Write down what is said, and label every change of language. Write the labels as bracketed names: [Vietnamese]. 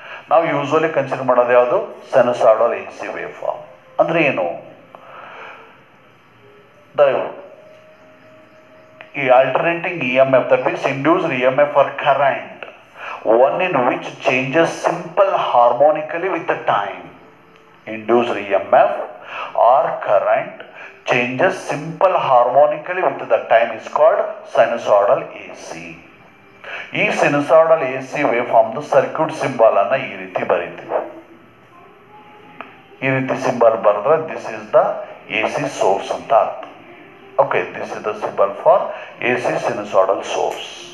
[Kannada] ನಾವು usually consider ಮಾಡೋದು ಯಾವುದು, ಸಿನುಸಾಯ್ಡಲ್ ಎ ಸಿ ವೇವ್ ಫಾರ್ಮ್. ಅಂದರೆ ಏನು, ಈ [English] Alternating E M F that means induced E M F or current, one in which changes simple harmonically with the time. Induced EMF or current changes simple harmonically with the time is called sinusoidal AC. [Kannada] ಈ sinusoidal AC waveform ದು circuit symbol ಅನ್ನು ಈ ರೀತಿ ಬರೀತೀವಿ. ಈ ರೀತಿ symbol ಬರೆದ್ರೆ [English] this is the AC source [Kannada] ಅಂತ ಅರ್ಥ. [English] Okay, this is the symbol for AC sinusoidal source.